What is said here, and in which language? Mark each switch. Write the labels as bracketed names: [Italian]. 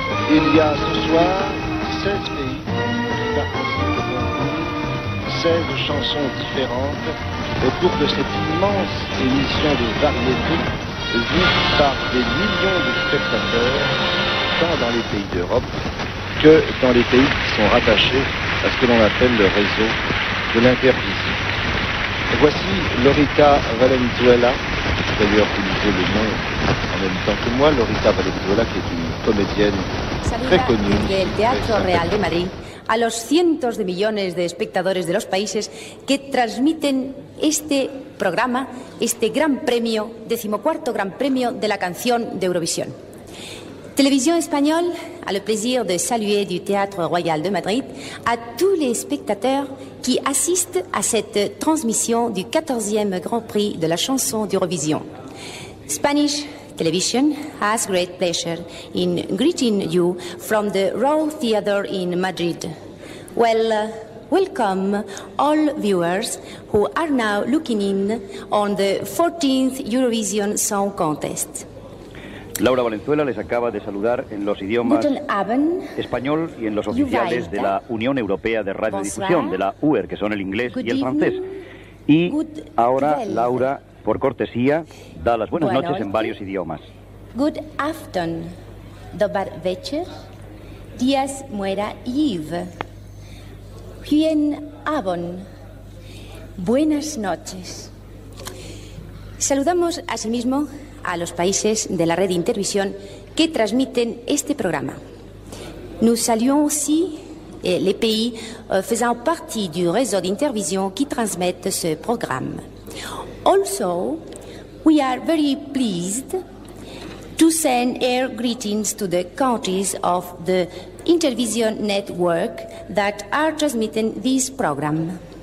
[French] Il y a ce soir 16 pays qui participent au concours, 16 chansons différentes au cours de cette immense émission de variété vue par des millions de spectateurs, tant dans les pays d'Europe que dans les pays qui sont rattachés à ce que l'on appelle le réseau de l'intervision. Voici Laurita Valenzuela, d'ailleurs qui disait le nom en même temps que moi, Laurita Valenzuela, qui est une comédienne très connue. [Spanish] Salida del Teatro Real de Madrid a los cientos de millones de espectadores de los países que transmiten este programa, este gran premio, 14º gran premio de la canción de Eurovisión. [French] Télévision Espagnole a le plaisir de saluer du Théâtre Royal de Madrid à tous les spectateurs qui assistent à cette transmission du 14e Grand Prix de la chanson d'Eurovision. [English] Spanish Television has great pleasure in greeting you from the Royal Theatre in Madrid. Well, welcome all viewers who are now looking in on the 14th Eurovision Song Contest. [Spanish] Laura Valenzuela les acaba de saludar en los idiomas español y en los oficiales de la Unión Europea de Radiodifusión, de la UER, que son el inglés y el francés. Y ahora Laura, por cortesía, da las buenas noches en varios idiomas. [English] Good afternoon, dobar večer, días muera Eve, bien abon, [Spanish] buenas noches. Saludamos asimismo a los países de la red Intervisión que transmiten este programa. [French] Nous saluons aussi les pays faisant partie du réseau d'Intervisión qui transmettent ce programme. [English] Also, we are very pleased to send air greetings to the countries of the Intervisión network that are transmitting this program.